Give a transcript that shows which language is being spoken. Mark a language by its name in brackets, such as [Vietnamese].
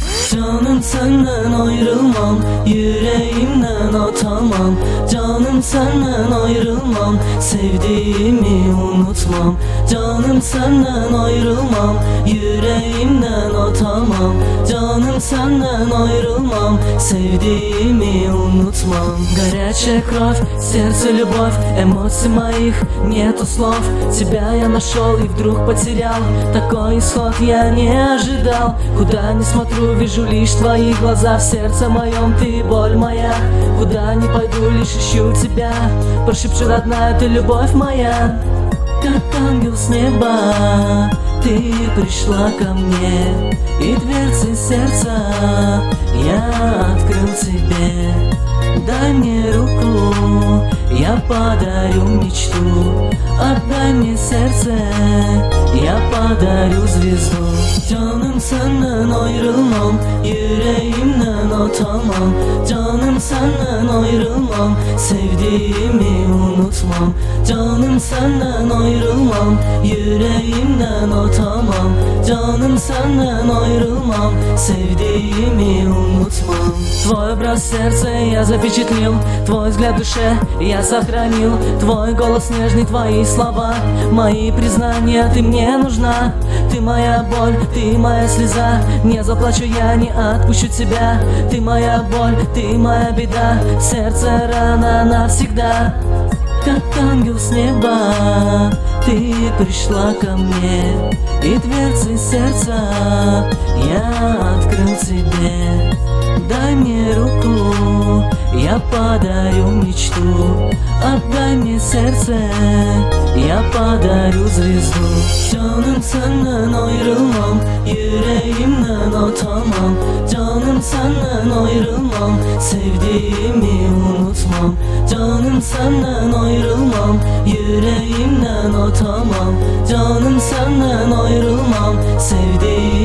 [Turkish] Canım senden ayrılmam, yüreğimden atamam. Canım senden ayrılmam, sevdiğimi unutmam. Canım senden ayrılmam, yüreğimden atamam. Canım senden ayrılmam, sevdiğimi unutmam. [Russian] Горячая кровь, сердце любовь, эмоций моих нету слов. Тебя я нашел и вдруг потерял, такой исход я не ожидал. Куда ни смотрю, вижу лишь твои глаза, в сердце моем ты боль моя. Куда ни пойду, лишь ищу тебя, прошепчу родная, ты любовь моя. Как ангел с неба, ты пришла ко мне, и дверцы сердца я открыл тебе. Дай мне руку, я подарю мечту. Отдай мне сердце, я подарю звезду. [Turkish] Canım senden ayrılmam, yüreğimden atamam. Canım senden ayrılmam, sevdiğimi unutmam. Canım senden ayrılmam, yüreğimden atamam. Canım senden ayrılmam, sevdiğimi unutmam. [Russian] Твой образ сердце я запечатлил, твой взгляд душе я сохранил. Твой голос нежный, твои слова, мои признания, ты мне нужна. Ты моя боль, ты моя слеза, не заплачу я, не отпущу тебя. Ты моя боль, ты моя беда, сердце рана навсегда. Как ангел с неба, ты пришла ко мне, и дверцы сердца я открыл тебе. Дай мне руку, я подарю мечту. Отдай мне сердце, я подарю звезду. [Turkish] Canım senden ayrılmam, yüreğimden atamam. Canım senden ayrılmam, sevdiğimi unutmam. Canım senden ayrılmam, yüreğimden atamam. Canım senden ayrılmam, sevdiğimi